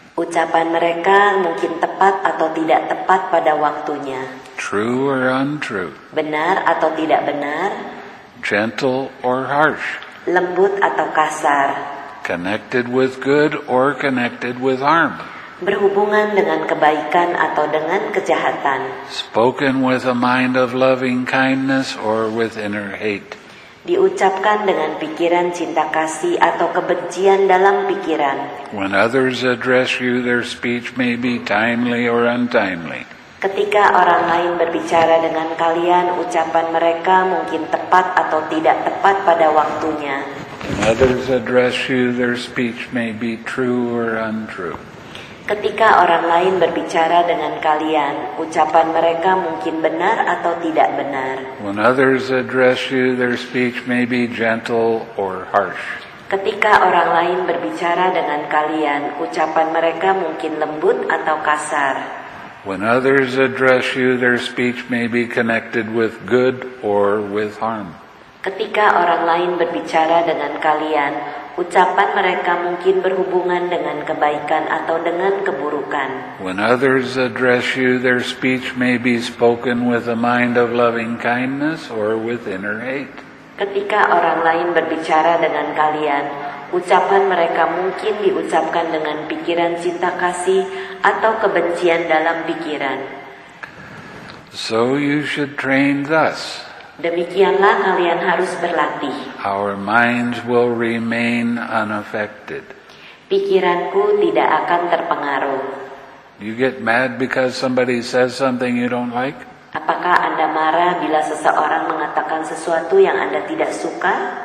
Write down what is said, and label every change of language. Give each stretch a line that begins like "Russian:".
Indonesian: Ucapan mereka mungkin tepat atau tidak tepat pada waktunya.
English: True or untrue.
Indonesian: Benar atau tidak benar.
English: Gentle or harsh.
Indonesian: Lembut atau kasar.
English: Connected with good or connected with harm.
Indonesian: Berhubungan dengan kebaikan atau dengan kejahatan.
English: Spoken with a mind of loving kindness or with inner hate.
Indonesian: Diucapkan dengan pikiran cinta kasih atau kebencian dalam pikiran.
English: When others address you, their speech may be timely or untimely.
Indonesian: Ketika orang lain berbicara dengan kalian, ucapan mereka mungkin tepat atau tidak tepat pada waktunya.
English: When others address you, their speech may be true or untrue.
Indonesian: Ketika orang lain berbicara dengan kalian, ucapan mereka mungkin benar atau tidak benar.
English: When others address you, their speech may be gentle or harsh.
Indonesian: Ketika orang lain berbicara dengan kalian, ucapan mereka mungkin lembut atau kasar.
English: When others address you, their speech may be connected with good or with harm.
Indonesian: Ketika orang lain berbicara dengan kalian, ucapan mereka mungkin berhubungan dengan kebaikan atau dengan keburukan.
English: When others address you, their speech may be spoken with a mind of loving kindness or with inner hate.
Indonesian: Ketika orang lain berbicara dengan kalian, ucapan mereka mungkin diucapkan dengan pikiran cinta kasih atau kebencian dalam pikiran.
English: So you should train thus.
Indonesian: Demikianlah kalian harus berlatih.
English: Our minds will remain unaffected.
Indonesian: Pikiranku tidak akan terpengaruh.
English: You get mad because somebody says something you don't like?
Indonesian: Apakah Anda marah bila seseorang mengatakan sesuatu yang Anda tidak suka?